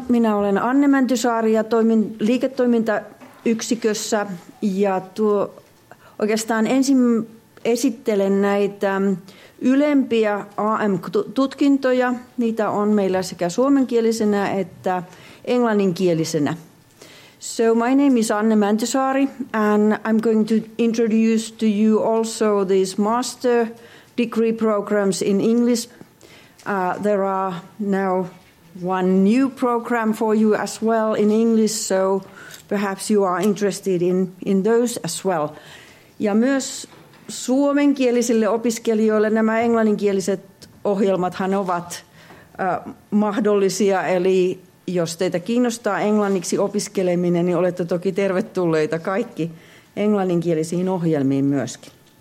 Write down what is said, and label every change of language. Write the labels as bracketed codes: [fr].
[fi] Minä olen Anne Mäntysaari ja toimin liiketoimintayksikössä. Ja oikeastaan ensin esittelen näitä ylempiä AM-tutkintoja. Niitä on meillä sekä suomenkielisenä että englanninkielisenä. [en] So my name is Anne Mäntysaari and I'm going to introduce to you also these master degree programs in English. There are now one new program for you as well in English, so perhaps you are interested in those as well. [fi] Ja myös suomenkielisille opiskelijoille nämä englanninkieliset ohjelmathan ovat mahdollisia, eli jos teitä kiinnostaa englanniksi opiskeleminen, niin olette toki tervetulleita kaikki englanninkielisiin ohjelmiin myöskin.